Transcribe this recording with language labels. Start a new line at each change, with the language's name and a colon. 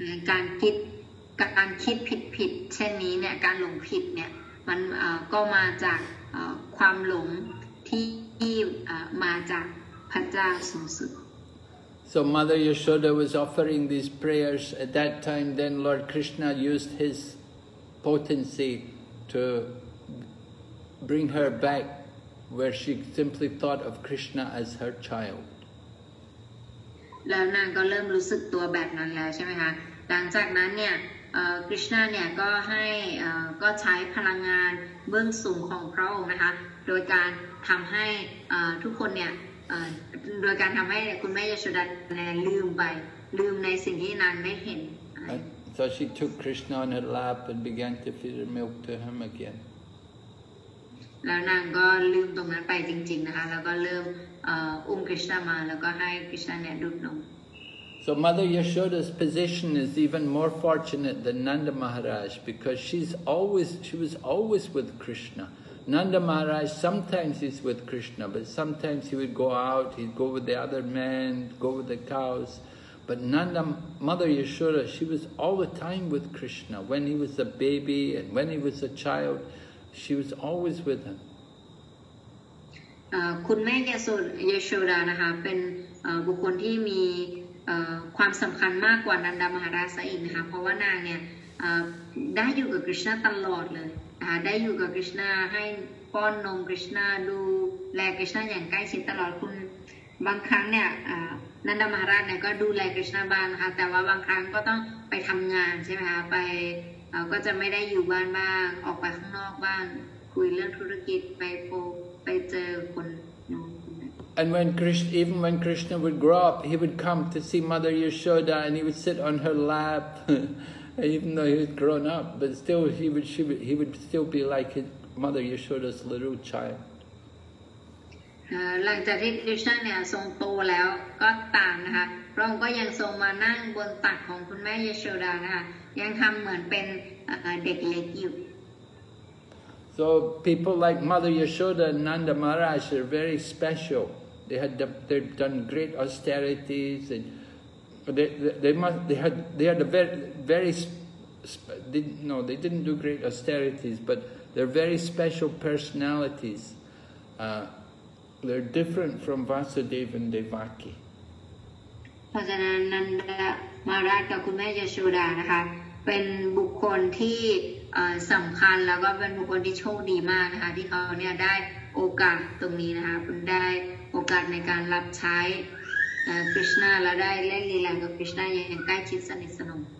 Thai: การคิดผิดเช่นนี้เนี่ยการหลงผิดเนี่ยมันก็มาจากความหลงที่มาจากพระเจ้าสูงสุด
English: So Mother Yashoda was offering these prayers at that time. Then Lord Krishna used his potency to. Bring her back where she simply thought of Krishna as her child.
Thai: แล้วนางก็เริ่มรู้สึกตัวแบบนั้นแล้วใช่ไหมคะหลังจากนั้นเนี่ยคริสนาเนี่ยก็ให้ก็ใช้พลังงานเบื้องสูงของพระองค์นะคะโดยการทำให้ทุกคนเนี่ยโดยการทำให้คุณแม่ยโสดาลืมไปลืมในสิ่งที่นางไม่เห็น
English: So she took Krishna on her lap and began to feed her milk to him again.
Thai: แล้วนางก็ลืมตรงนั้นไปจริงๆนะคะแล้วก็เริ่มอุ้มคริสต์มาแล้วก็ให้คริสต์เนี่ยดูดนม
English: So Mother Yashoda's position is even more fortunate than Nanda Maharaj because she was always with Krishna. Nanda Maharaj sometimes he's with Krishna, but sometimes he would go out, he'd go with the other men, go with the cows. But Nanda Mother Yashoda, she was all the time with Krishna when he was a baby and when he was a child. She was always with him.
Thai: คุณแม่ยโสดานะคะเป็นบุคคลที่มีความสำคัญมากกว่านันดามหาราชอีกนะคะเพราะว่านางเนี่ย ได้อยู่กับคริชนาตลอดเลยได้อยู่กับคริชนาให้ป้อนนมคริชนาดูแลคริชนาอย่างใกล้ชิดตลอดคุณบางครั้งเนี่ยนันดามหาราชเนี่ยก็ดูแลคริชนาบ้างนะคะแต่ว่าบางครั้งก็ต้องไปทำงานใช่ไหมคะไปก็จะไม่ได้อยู่บ้านบ้างออกไปข้างนอกบ้างคุยเรื่องธุรกิจไปเจอคนนู้น
English: And when Krishna, even when Krishna would grow up, he would come to see Mother Yashoda and he would sit on her lap, even though he was grown up, but still he would still be like his Mother Yashoda's little child.
Thai: หลังจากที่คริสต์เนี่ยทรงโตแล้วก็ต่างนะคะพระองค์ก็ยังทรงมานั่งบนตักของคุณแม่ยโสดานะคะยังทำเหมือนเป็นเด็กเล็กอยู่
English: So people like Mother Yashoda and Nanda Maharaj are very special. They've done great austerities and they didn't do great austerities, but they're very special personalities. They're different from Vasudeva and Devaki.
Thai: เพราะฉะนั้นนันดามาราชกับคุณแม่ยโสดานะคะเป็นบุคคลที่สำคัญแล้วก็เป็นบุคคลที่โชคดีมากนะคะที่เขาเนี่ยได้โอกาสตรงนี้นะคะได้โอกาสในการรับใช้คริชนาและได้เล่นลีลากับคริชนาอย่างใกล้ชิดสนิทสนม